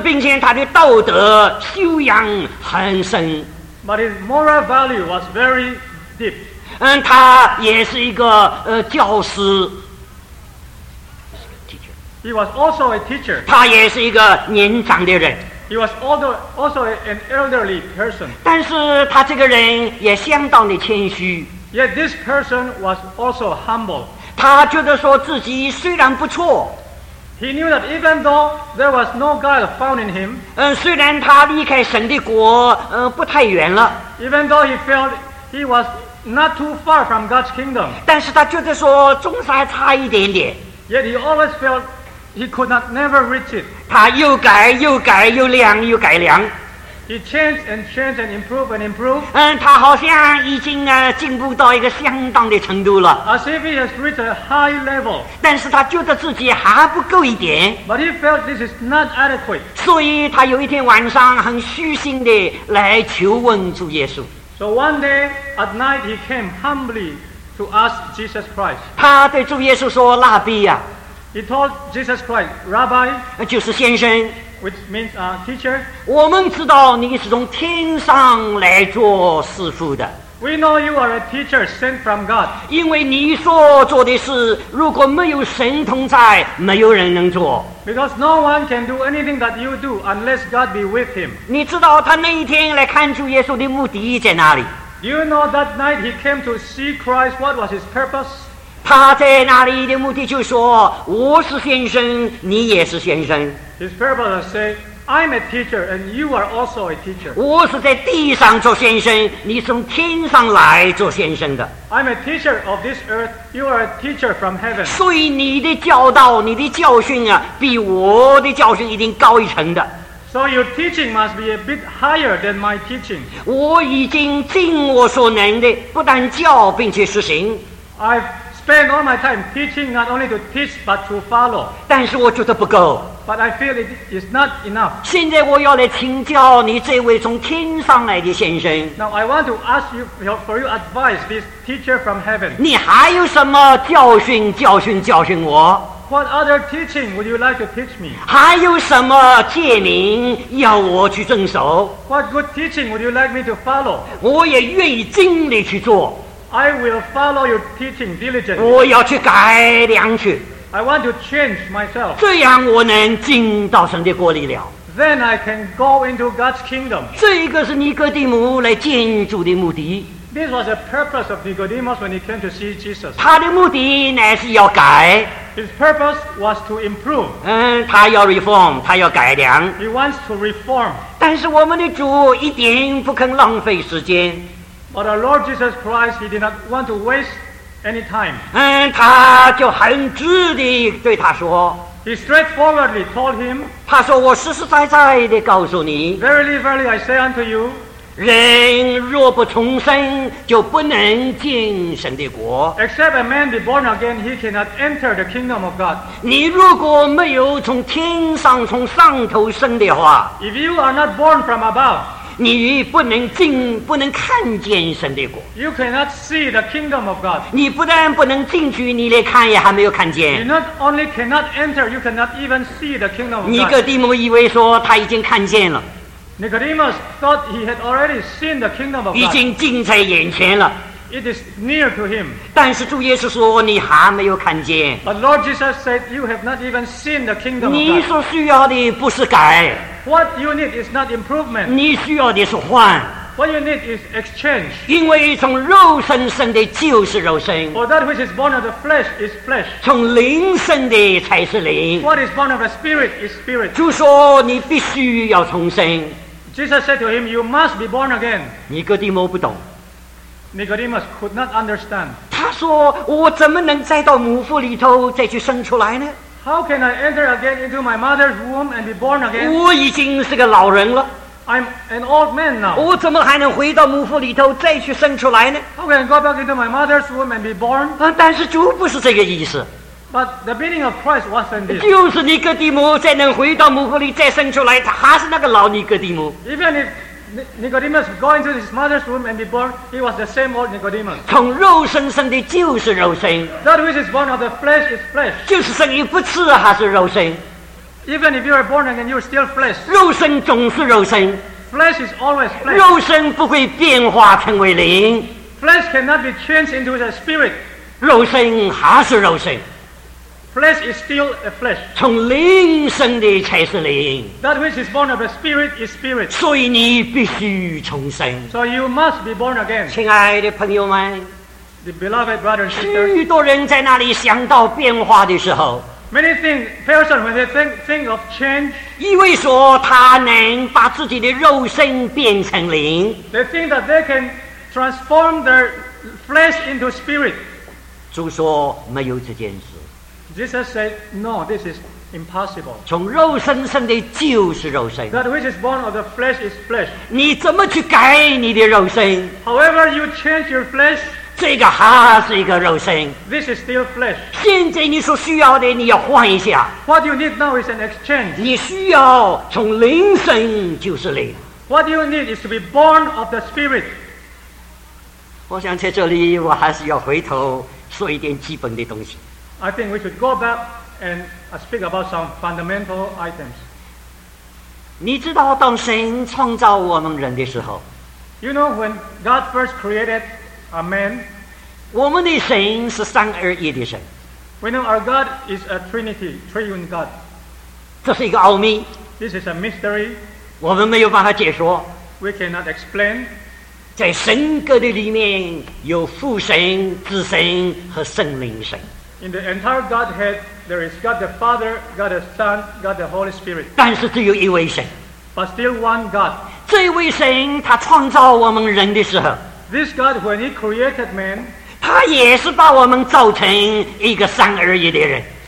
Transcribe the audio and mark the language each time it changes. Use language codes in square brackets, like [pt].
[zh] 并且他的道德修养很深。 [en] But his moral value was very deep. [zh] 他也是一个教师。Teacher. [en] He was also a teacher. [zh] 他也是一个年长的人。 [en] He was also an elderly person. [zh] 但是他这个人也相当的谦虚。 [en] Yet this person was also humble. [zh] 他觉得说自己虽然不错。 [en] He knew that even though there was no God found in him, [zh] 虽然他离开神的国，不太远了。 [en] Even though he felt he was not too far from God's kingdom, [zh] 但是他觉得说总是还差一点点。 [en] Yet he always felt he could not never reach it. [zh] 他又改又改又量又改量。 [en] He changed and changed and improved and improved. [zh] 他好像已经进步到一个相当的程度了。 [en] As if he has reached a high level. [zh] 但是他觉得自己还不够一点。 [en] But he felt this is not adequate. [zh] 所以他有一天晚上很虚心地来求问主耶稣。 [en] So one day at night he came humbly to ask Jesus Christ. [zh] 他对主耶稣说，拉比啊。 [en] He told Jesus Christ, Rabbi. [zh] 就是先生。 [en] Which means teacher. [zh] 我们知道你是从天上来做师父的。 [en] We know you are a teacher sent from God. [zh] 因为你所做的事，如果没有神同在，没有人能做。 [en] Because no one can do anything that you do unless God be with him. [zh] 你知道他那一天来看主耶稣的目的在哪里？ [en] Do you know that night he came to see Christ? What was his purpose? [zh] 他在那里的目的就是说，我是先生，你也是先生。 [en] His purpose was to say,I'm a teacher and you are also a teacher. [zh] 我是在地上做先生，你从天上来做先生的。 [en] I'm a teacher of this earth, you are a teacher from heaven. [zh] 所以你的教导，你的教训啊，比我的教训一定高一层的。 [en] So your teaching must be a bit higher than my teaching. [zh] 我已经尽我所能的，不但教，并且实行。 [en] I've spent all my time teaching not only to teach but to follow. [zh] 但是我觉得不够。 [en] But I feel it is not enough. [zh] 现在我要来请教你这位从天上来的先生。 [en] Now I want to ask you for your advice, this teacher from heaven. [zh] 你还有什么教训？教训教训我。 [en] What other teaching would you like to teach me? [zh] 还有什么诫命要我去遵守？ [en] What good teaching would you like me to follow? [zh] 我也愿意尽力去做。 [en] I will follow your teaching diligently. [zh] 我要去改良去。 [en] I want to change myself. [zh] 这样我能进到神的国里了。 [en] Then I can go into God's kingdom. [zh] 这一个是尼哥底母来见主的目的。 [en] This was the purpose of Nicodemus when he came to see Jesus. [zh] 他的目的乃是要改。 [en] His purpose was to improve. [zh] 他要 reform, 他要改良。 [en] He wants to reform. [zh] 但是我们的主一点不肯浪费时间。 [en] But our Lord Jesus Christ, he did not want to waste any time. [zh] 他就很直地对他说。 [en] He straightforwardly told him. [zh] 他说我实实在在地告诉你。 [en] Verily, verily, I say unto you. [zh] 人若不重生，就不能进神的国。 [en] Except a man be born again, he cannot enter the kingdom of God. [zh] 你如果没有从天上从上头生的话。 [en] If you are not born from above. [zh] 你不能进，不能看见神的国。 [en] You cannot see the kingdom of God. [zh] 你不但不能进去，你连看也还没有看见。 [en] You not only cannot enter, you cannot even see the kingdom of God. [zh] 尼哥底母以为说他已经看见了。 [en] Nicodemus thought he had already seen the kingdom of God. [zh] 已经近在眼前了。 [en] It is near to him. [zh] 但是主耶稣说你还没有看见。 [en] But Lord Jesus said you have not even seen the kingdom of God. [zh] 你所需要的不是改。 [en] What you need is not improvement. [zh] 你需要的是换。 [en] What you need is exchange. [zh] 因为从肉身生的就是肉身。 [en] For that which is born of the flesh is flesh. [zh] 从灵生的才是灵。 [en] What is born of the spirit is spirit. [zh] 就说你必须要重生。 [en] Jesus said to him, you must be born again. [zh] 尼哥底母不懂。 [en] Nicodemus could not understand. [zh] 他说我怎么能再到母腹里头再去生出来呢？ [en] How can I enter again into my mother's womb and be born again? [zh] 我已经是个老人了。 [en] I'm an old man now. [zh] 我怎么还能回到母腹里头再去生出来呢？ [en] How can I go back into my mother's womb and be born? [zh] 但是主不是这个意思。 [en] But the meaning of Christ wasn't this. [zh] 就是尼哥底母再能回到母腹里再生出来，他还是那个老尼哥底母。 [en] Even if Nicodemus go into his mother's womb and be born, he was the same old Nicodemus. [zh] 从肉身生的就是肉身。 [en] That which is born of the flesh is flesh. [zh] 就是生一不次还是肉身。 [en] Even if you are born again, you are still flesh. [zh] 肉身总是肉身。 [en] Flesh is always flesh. [zh] 肉身不会变化成为灵。 [en] Flesh cannot be changed into the spirit. [zh] 肉身还是肉身。 [en] Flesh is still a flesh. [zh] 从灵生的才是灵。 [en] That which is born of the spirit is spirit. [zh] 所以你必须重生。 [en] So you must be born again. [zh] 亲爱的朋友们， [en] the beloved brothers and sisters, [zh] 许多人在那里想到变化的时候， [en] many things, person when they think of change, [zh] 以为说他能把自己的肉身变成灵， [en] they think that they can transform their flesh into spirit. [zh] 主说没有这件事。 [en] Jesus said, no, this is impossible. [zh] 从肉身生的就是肉身。 [en] That which is born of the flesh is flesh. [zh] 你怎么去改你的肉身？ [en] However you change your flesh, [zh] 这个还是一个肉身。 [en] This is still flesh. [zh] 现在你所需要的你要换一下。 [en] What you need now is an exchange. [zh] 你需要从灵生就是灵。 [en] What you need is to be born of the spirit. [zh] 我想在这里我还是要回头说一点基本的东西。 [en] I think we should go back and speak about some fundamental items. [zh] 你知道当神创造我们人的时候， [en] You know, when God first created a man, [zh] 我们的神是三而一的神。 [en] We know our God is a Trinity, Triune God. [zh] 这是一个奥秘。 [en] This is a mystery. [zh] 我们没有办法解说。 [en] We cannot explain. [zh] 在神格的里面有父神、子神和圣灵神。 [en] In the entire Godhead, there is God the Father, God the Son, God the Holy Spirit. [zh] 但是只有一位神。 [en] But still one God. [zh] 这位神他创造我们人的时候。 [en] This God, when He created man, [zh] 他也是把我们造成一个三而一的人。